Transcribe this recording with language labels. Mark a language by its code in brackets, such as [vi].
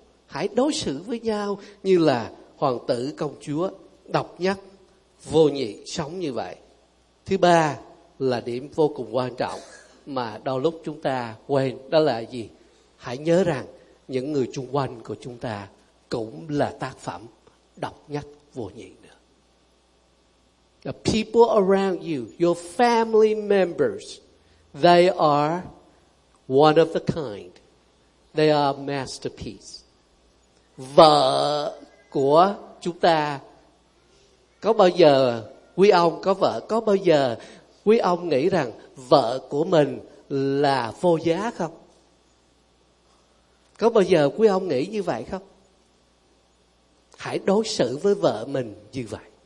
[vi] Hãy đối xử với nhau như là hoàng tử công chúa, độc nhất, vô nhị, sống như vậy. Thứ ba là điểm vô cùng quan trọng mà đôi lúc chúng ta quên, đó là gì? Hãy nhớ rằng những người xung quanh của chúng ta cũng là tác phẩm độc nhất, vô nhị nữa. [en] The people around you, your family members, they are one of a kind. They are masterpiece. [vi] Vợ của chúng ta, có bao giờ quý ông có vợ, có bao giờ quý ông nghĩ rằng vợ của mình là vô giá không? Có bao giờ quý ông nghĩ như vậy không? Hãy đối xử với vợ mình như vậy.